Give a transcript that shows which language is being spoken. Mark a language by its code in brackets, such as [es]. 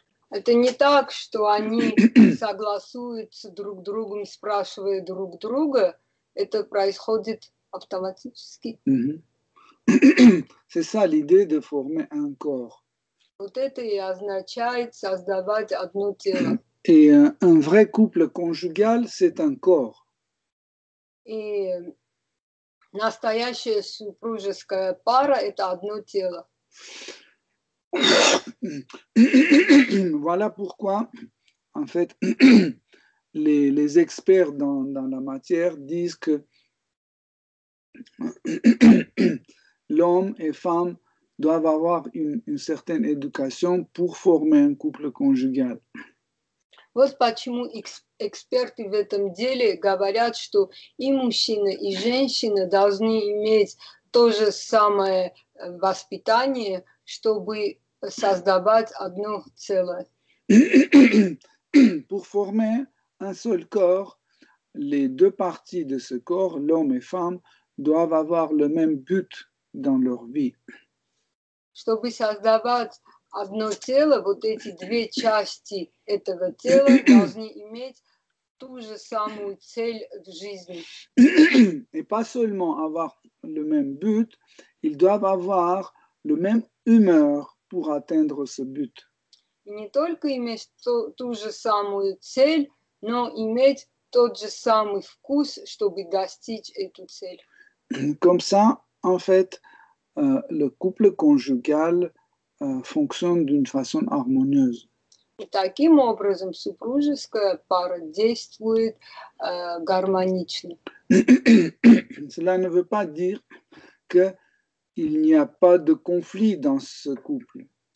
[ru] Это не так, что они согласуются друг с другом, спрашивают друг друга. это происходит автоматически. [fr] C'est ça l'idée de former un corps. [ru] Вот это и означает создавать одно тело. [fr] Et un vrai couple conjugal, c'est un corps. [ru] И настоящая супружеская пара – это одно тело. [fr] Voilà pourquoi, en fait, les experts dans la matière disent que l'homme et femme doivent avoir une certaine éducation pour former un couple conjugal. [ru] Вот почему эксперты в этом деле говорят, что и мужчина, и женщина должны иметь то же самое воспитание, чтобы создавать одно целое. [fr] Pour former un seul corps, les deux parties de ce corps, l'homme et femme, doivent avoir le même but dans leur vie. [ru] Чтобы создавать одно тело, вот эти две части этого тела должны иметь ту же самую цель в жизни. [fr] Et pas seulement avoir le même but, ils doivent avoir le même humeur pour atteindre ce but. [ru] И не только иметь ту же самую цель, но иметь тот же самый вкус, чтобы достичь эту цель. [fr] Comme ça, en fait, le couple conjugal fonctionne d'une façon harmonieuse. [ru] И таким образом супружеская пара действует гармонично. [fr] Cela ne veut pas dire qu'il n'y a pas de conflit dans ce couple.